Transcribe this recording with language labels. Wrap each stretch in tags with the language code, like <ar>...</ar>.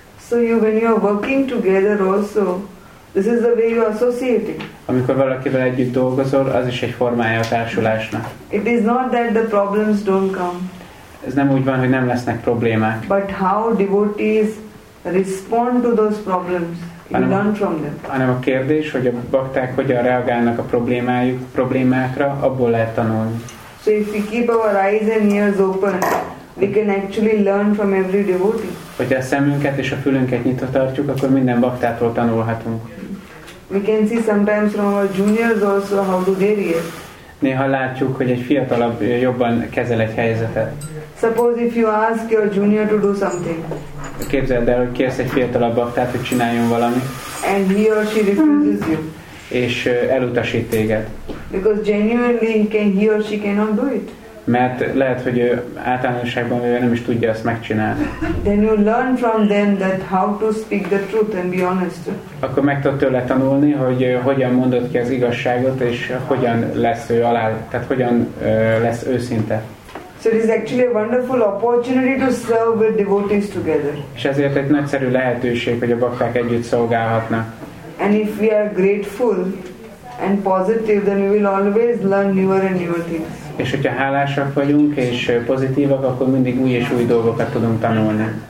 <en>So when you are working together also, this is the way you associate.</en> <hu>Amikor valakivel együtt dolgozol, az is egy formája a társulásnak.</hu> <en>It is not that the problems don't come.</en> <hu>Ez nem úgy van, hogy nem lesznek problémák.</hu> <en>But how devotees respond to those problems, learn from them.</en> <hu>Hanem a kérdés, hogy a bakták hogyan reagálnak a problémákra, abból lehet tanulni.</hu> <en>So if we keep our eyes and ears open, we can actually learn from every devotee.</en> <hu>Hogyha a szemünket és a fülünket nyitva tartjuk, akkor minden baktától tanulhatunk.</hu> <en>We can see sometimes from our juniors also how do they react.</en> <hu>Néha látjuk, hogy egy fiatalabb jobban kezel egy helyzetet.</hu> <en>Suppose if you ask your junior to do something.</en> <hu>Képzeld el, hogy kérsz egy fiatalabb baktát, hogy csináljon valamit.</hu> <en>And he or she refuses you.</en> <hu>És elutasít téged.</hu> <en>Because genuinely he or she cannot do it.</en> <hu>Mert lehet, hogy ő általánosságban vagy nem is tudja ezt megcsinálni.</hu> <en>Then you learn from them that how to speak the truth and be honest.</en> <hu>Akkor meg tud tőle tanulni, hogy hogyan mondod ki az igazságot, és hogyan lesz ő alá, tehát hogyan lesz őszinte.</hu> <en>So it is actually a wonderful opportunity to serve with devotees together.</en> <hu>És ezért egy nagyszerű lehetőség, hogy a bakták együtt szolgálhatnak.</hu> <en>And if we are grateful and positive, then we will always learn newer and newer things.</en> <hu>És hogyha hálásak vagyunk és pozitívak, akkor mindig új és új dolgokat tudunk tanulni.</hu>